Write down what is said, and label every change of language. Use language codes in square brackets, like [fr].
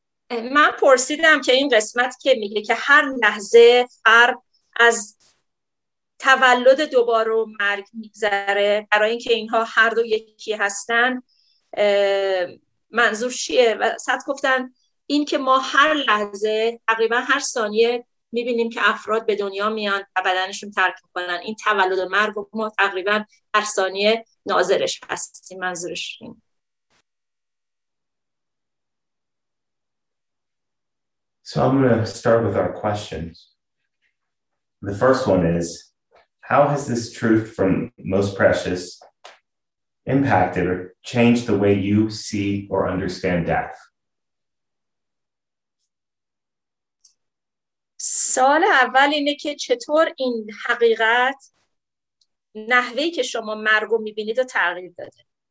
[fa] من پرسیدم که این قسمت که میگه که هر لحظه فرد از تولد دوباره و مرگ میگذره، برای اینکه اینها هر دو یکی هستن، منظور چیه؟ و صد گفتن این که ما هر لحظه تقریبا هر ثانیه میبینیم که افراد به دنیا میان و بدنشون ترک میکنن، این تولد و مرگ و ما تقریبا هر ثانیه ناظرش هستیم، منظورش این. [en] So I'm going to start with our questions. The first one is, how has this truth from Most Precious impacted or changed the way you see or understand death? [fa] سوال اول اینه که چطور این حقیقت نحوهی که شما مرگ رو میبینید و تغییر داده؟